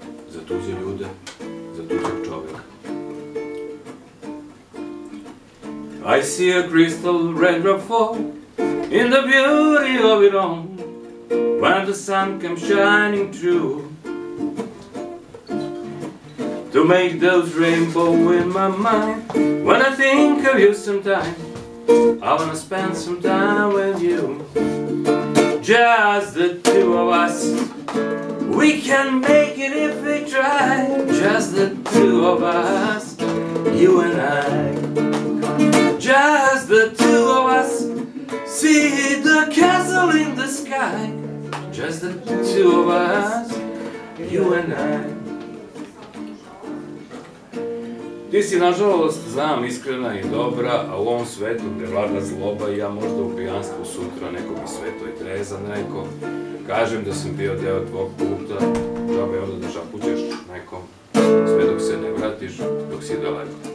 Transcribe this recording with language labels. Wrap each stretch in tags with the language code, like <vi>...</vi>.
<sr>Za tuđe ljude, za tuđeg čoveka.</sr> <en>I see a crystal raindrop fall in the beauty of it all. When the sun comes shining through, to make those rainbow in my mind. When I think of you sometime, I wanna spend some time with you. Just the two of us, we can make it if we try. Just the two of us, you and I. Just the two of us, see the castle in the sky. Just the two of us, you and I.</en> <sr>Ti si, nažalost, znam, iskrena i dobra, a u ovom svetu gde vlada zloba, ja možda u pijanstvu sutra nekom iz svetoj treza neko, kažem da sam bio deo tvog puta, džabe onda da šapućeš nekom, sve dok se ne vratiš, dok si daleko.</sr>